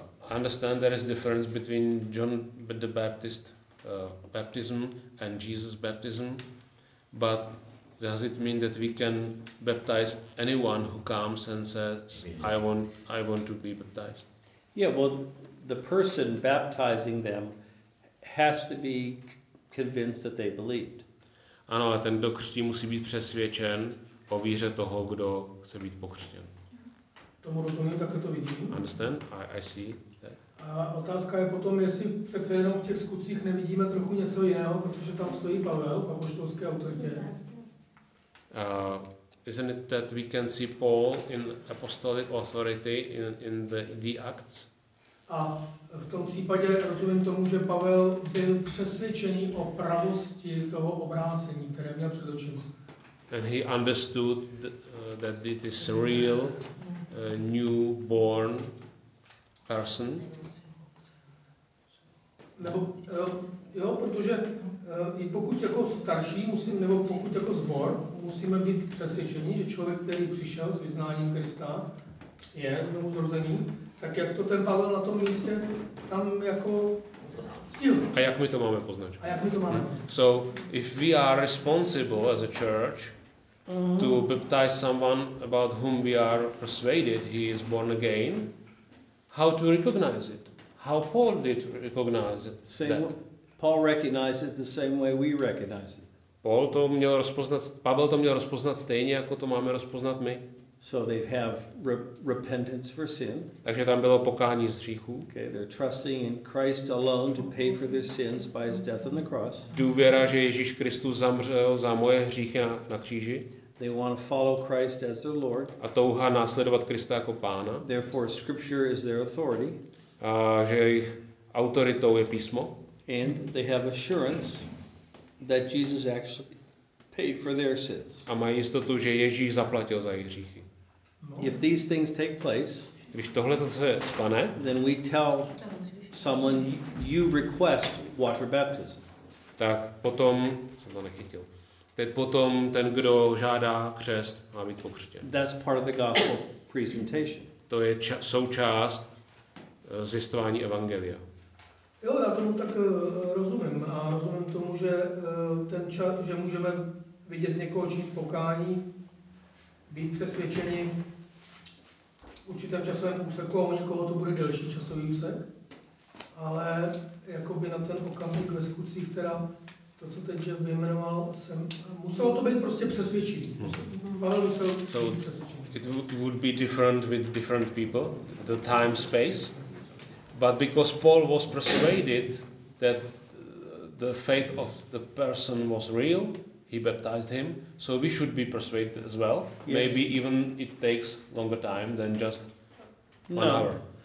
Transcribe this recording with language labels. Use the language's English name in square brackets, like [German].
[English] I understand there is difference between John the Baptist baptism and Jesus baptism, but does it mean that we can baptize anyone who comes and says I want to be baptized? Yeah, well, the person baptizing them has to be convinced that they believed. [Czech] Ano, ale ten, kdo křtí, musí být přesvědčen o víře toho, kdo chce být pokřtěn. Tomu rozumím, takhle to vidím. [English] Understand? I see that. [Czech] A otázka je potom, jestli přece jenom v těch skutcích nevidíme trochu něco jiného, protože tam stojí Pavel v apoštolské autoritě. [English] Isn't it that we can see Paul in apostolic authority in the Acts? [Czech] A v tom případě rozumím tomu, že Pavel byl přesvědčený o pravosti toho obrácení, které měl před očima. [English] and he understood that it is real, newborn person. [Czech] Nebo jo, protože i pokud jako starší musím, nebo pokud jako zbor musíme být přesvědčeni, že člověk, který přišel s vyznáním Krista, je znovu zrozený, tak jak to ten Pavel na tom místě tam jako cítil? A jak my to máme poznat? A jak my to máme? [English] So if we are responsible as a church to baptize someone about whom we are persuaded he is born again, how to recognize it? How Paul did recognize it? Paul recognized it the same way we recognize it. [Czech] Paul to měl rozpoznat, Pavel to měl rozpoznat stejně jako to máme rozpoznat my. [English] So they have repentance for sin. [Czech] Takže tam bylo pokání z hříchů. [English] Okay, they're trusting in Christ alone to pay for their sins by his death on the cross. [Czech] Důvěra, že Ježíš Kristus zemřel za moje hříchy na kříži. [English] They want to follow Christ as their Lord. [Czech] A touha následovat Krista jako pána. [English] Therefore scripture is their authority. [Czech] A že jejich autoritou je písmo. [English] And they have assurance that Jesus actually paid for their sins. [Czech] A mají jistotu, že Ježíš zaplatil za jejich hříchy. [English] If these things take place, [Czech] když tohle se stane, [English] then we tell someone you request water baptism. [Czech] Tak potom jsem to nechytil. Teď potom ten, kdo žádá křest, má být pokřtěn. [English] That's part of the gospel presentation. [Czech] To je součást zvěstování evangelia. Jo, já tomu tak rozumím. A rozumím tomu, že ten čas, že můžeme vidět někoho činit pokání, být přesvědčeni v určitém časovém úseku a u někoho to bude delší časový úsek. Ale jakoby na ten okamžik ve skutcích, teda to, co teď Jeff vyjmenoval, jsem, muselo to být prostě přesvědčit. Pavel musel být přesvědčený. [English] It would be different with different people, the time space. But because Paul was persuaded that the faith of the person was real, he baptized him, so we should be persuaded as well. Yes. Maybe even it takes longer time than just one hour.